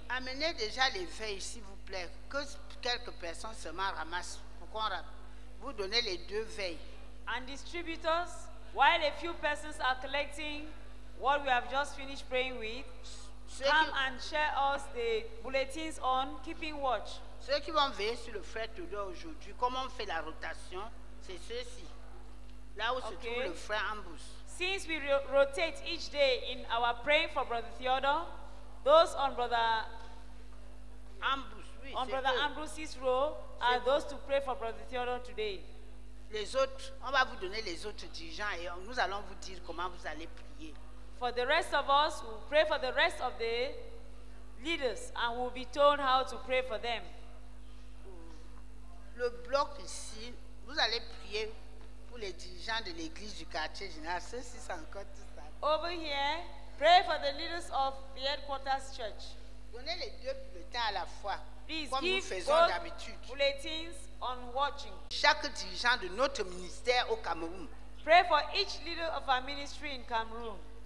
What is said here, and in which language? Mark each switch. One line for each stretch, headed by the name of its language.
French: Amenez déjà les veilles, s'il vous plaît. Que quelques personnes seulement ramassent. Pourquoi vous donnez les deux veilles?
English: And distributors, while a few persons are collecting what we have just finished praying with, come and share us the bulletins on keeping watch.
French: Ceux qui vont veiller sur le frère Todo aujourd'hui, comment on fait la rotation? C'est ceci. Là où se trouve le frère Ambus.
English: Since we rotate each day in our praying for Brother Theodore, those on Brother
French: Ambus, oui,
English: on Brother Ambus's row are those to pray for Brother Theodore today.
French: Les autres, on va vous donner les autres dirigeants et nous allons vous dire comment vous allez prier.
English: For the rest of us, we'll pray for the rest of the leaders and we'll be told how to pray for them.
French: Le bloc ici, vous allez prier pour les dirigeants de l'église du quartier général. Ceci, c'est encore tout ça.
English: Over here, pray for the leaders of the headquarters church.
French: Donnez les deux bulletins à la fois.
English: Please
French: comme
English: give
French: nous faisons d'habitude.
English: Bulletins on watching.
French: Chaque dirigeant de notre ministère au Cameroun.
English: Pray for each leader of our ministry in Cameroon.